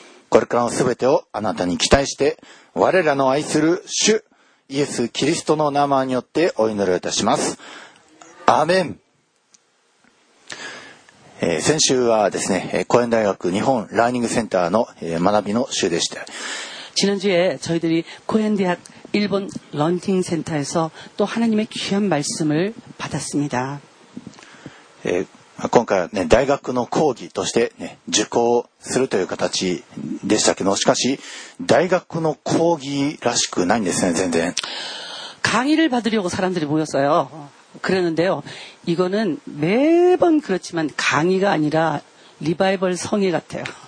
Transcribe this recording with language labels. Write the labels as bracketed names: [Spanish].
[Japanese] これからのすべてをあなたに期待して、我らの愛する主イエス・キリストの名前によってお祈りいたします。アーメン。先週はですね、高円大学日本ラーニングセンターの学びの週でした。 [Korean] 지난주에저희들이고현대학일본러닝팀센터에서또하나님의귀한말씀을받았습니다 [Japanese] 今回は、ね、大学の講義として、ね、受講するという形でしたけど、しかし大学の講義らしくないんですね。全然 [Korean] 강의를받으려고사람들이모였어요그랬는데요이거는매번그렇지만강의가아니라리바이벌성회같아요